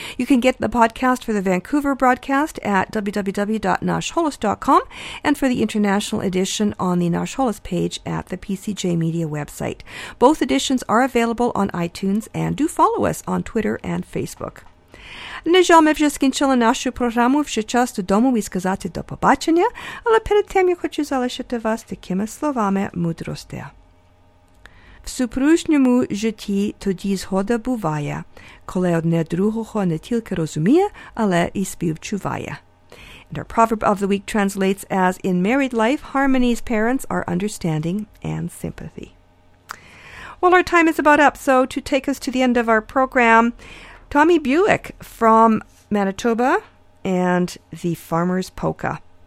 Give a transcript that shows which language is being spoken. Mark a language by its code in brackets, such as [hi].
[en] You can get the podcast for the Vancouver broadcast at www.nashholos.com and for the international edition on the Nash Holos page at the PCJ Media website. Both editions are available on iTunes and do follow us on Twitter and Facebook. [uk] Нежами вже скінчила нашу програму, вже час додому і сказати до побачення, але перед тим я хочу залишити вас такими словами мудрості. В супружньому житті тоді згода буває, коли одне другого не тільки розуміє, але і співчуває. [en] And our proverb of the week translates as, in married life, harmony's parents are understanding and sympathy. Well, our time is about up, so to take us to the end of our program, Tommy Buick from Manitoba and the Farmer's Polka.